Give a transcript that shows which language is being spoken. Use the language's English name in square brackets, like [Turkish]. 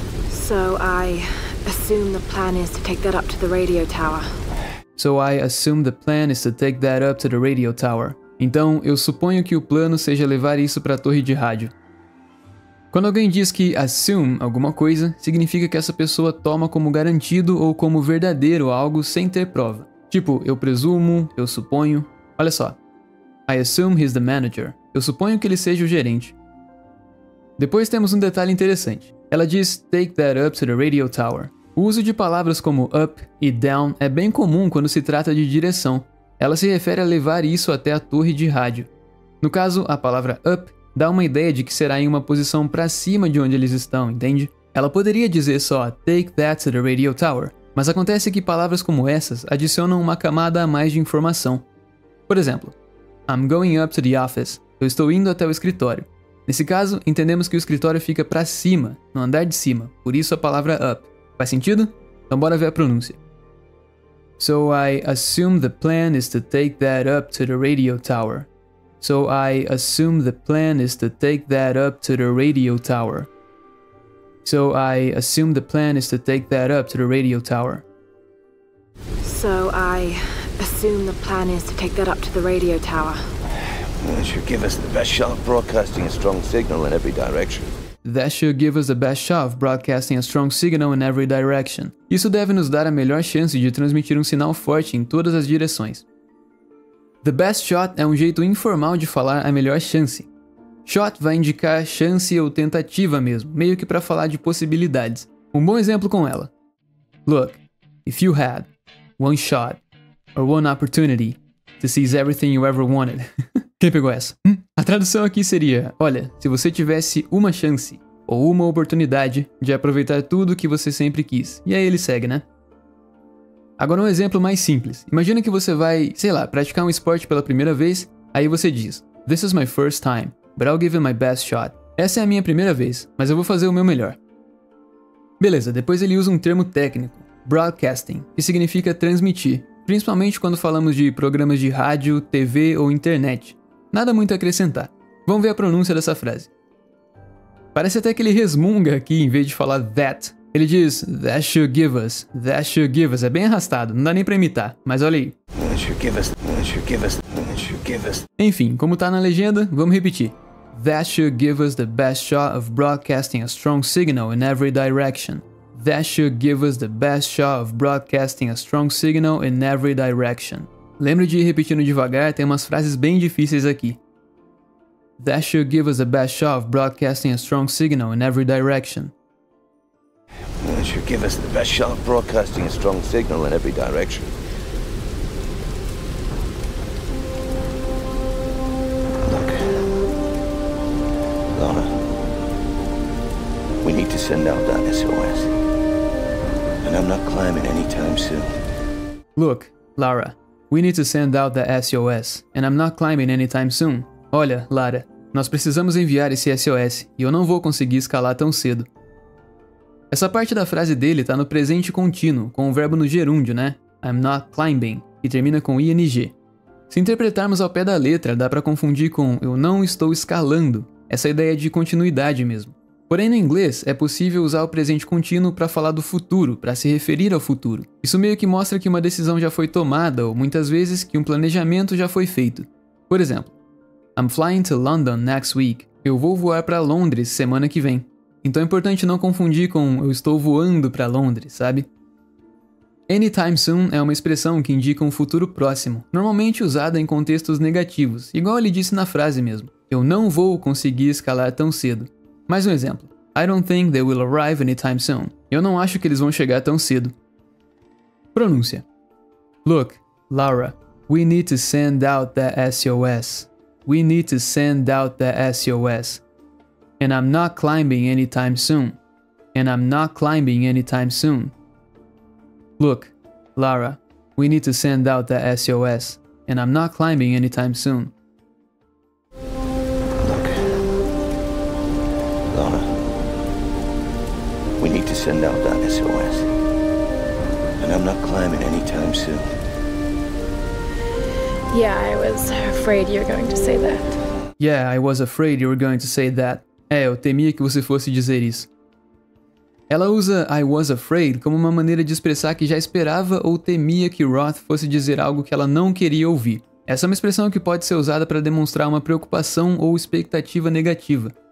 [English] So I assume the plan is to take that up to the radio tower. So I assume the plan is to take that up to the radio tower. [Portuguese] Então, eu suponho que o plano seja levar isso para a torre de rádio. Quando alguém diz que assume alguma coisa, significa que essa pessoa toma como garantido ou como verdadeiro algo sem ter prova. Tipo, eu presumo, eu suponho. Olha só. [English] I assume he's the manager. [Portuguese] Eu suponho que ele seja o gerente. Depois temos um detalhe interessante. Ela diz [English] take that up to the radio tower. [Portuguese] O uso de palavras como up e down é bem comum quando se trata de direção. Ela se refere a levar isso até a torre de rádio. No caso, a palavra up dá uma ideia de que será em uma posição para cima de onde eles estão, entende? Ela poderia dizer só [English] take that to the radio tower, [Portuguese] mas acontece que palavras como essas adicionam uma camada a mais de informação. Por exemplo, [English] I'm going up to the office. [Portuguese] Eu estou indo até o escritório. Nesse caso, entendemos que o escritório fica para cima, no andar de cima, por isso a palavra up. Faz sentido? Então bora ver a pronúncia. [English] So I assume the plan is to take that up to the radio tower. So I assume the plan is to take that up to the radio tower. So I assume the plan is to take that up to the radio tower. So I assume the plan is to take that up to the radio tower. That should give us the best shot of broadcasting a strong signal in every direction. That should give us the best shot of broadcasting a strong signal in every direction. [Portuguese] Isso deve nos dar a melhor chance de transmitir um sinal forte em todas as direções. [English] The best shot [Portuguese] é um jeito informal de falar a melhor chance. Shot vai indicar chance ou tentativa mesmo, meio que para falar de possibilidades. Um bom exemplo com ela. [English] Look, if you had one shot or one opportunity to seize everything you ever wanted. [Portuguese] Quem pegou essa? A tradução aqui seria, olha, se você tivesse uma chance ou uma oportunidade de aproveitar tudo o que você sempre quis. E aí ele segue, né? Agora um exemplo mais simples. Imagina que você vai, sei lá, praticar um esporte pela primeira vez, aí você diz, [English] this is my first time, but I'll give it my best shot. [Portuguese] Essa é a minha primeira vez, mas eu vou fazer o meu melhor. Beleza, depois ele usa um termo técnico, broadcasting, que significa transmitir, principalmente quando falamos de programas de rádio, TV ou internet. Nada muito a acrescentar. Vamos ver a pronúncia dessa frase. Parece até que ele resmunga aqui em vez de falar that. Ele diz, [English] that should give us, that should give us. [Portuguese] É bem arrastado, não dá nem pra imitar, mas olha aí. [English] That should give us, that should give us, that should give us. [Portuguese] Enfim, como tá na legenda, vamos repetir. [English] That should give us the best shot of broadcasting a strong signal in every direction. That should give us the best shot of broadcasting a strong signal in every direction. [Portuguese] Lembre de ir repetindo devagar, tem umas frases bem difíceis aqui. [English] That should give us the best shot of broadcasting a strong signal in every direction. That should give us the best shot of broadcasting a strong signal in every direction. Look, Lana, we need to send out that SOS. And I'm not climbing anytime soon. Look, Lara. We need to send out the SOS, and I'm not climbing anytime soon. [Portuguese] Olha, Lara, nós precisamos enviar esse SOS, e eu não vou conseguir escalar tão cedo. Essa parte da frase dele tá no presente contínuo, com o verbo no gerúndio, né? [English] I'm not climbing, [Portuguese] que termina com ing. Se interpretarmos ao pé da letra, dá pra confundir com eu não estou escalando, essa ideia de continuidade mesmo. Porém, no inglês, é possível usar o presente contínuo para falar do futuro, para se referir ao futuro. Isso meio que mostra que uma decisão já foi tomada, ou muitas vezes, que um planejamento já foi feito. Por exemplo, [English] I'm flying to London next week. [Portuguese] Eu vou voar para Londres semana que vem. Então é importante não confundir com eu estou voando para Londres, sabe? Anytime soon é uma expressão que indica um futuro próximo, normalmente usada em contextos negativos, igual ele disse na frase mesmo. Eu não vou conseguir escalar tão cedo. Mais um exemplo. [English] I don't think they will arrive anytime soon. [Portuguese] Eu não acho que eles vão chegar tão cedo. Pronúncia. [English] Look, Laura, we need to send out the SOS. We need to send out the SOS. And I'm not climbing anytime soon. And I'm not climbing anytime soon. Look, Laura, we need to send out the SOS. And I'm not climbing anytime soon. Look, Laura, we need to send out that SOS. And I'm not climbing anytime soon. Yeah, I was afraid you were going to say that. Yeah, I was afraid you were going to say that. [Portuguese] É, eu temia que você fosse dizer isso. Ela usa [English] I was afraid [Portuguese] como uma maneira de expressar que já esperava ou temia que Roth fosse dizer algo que ela não queria ouvir. Essa é uma expressão que pode ser usada para demonstrar uma preocupação ou expectativa negativa.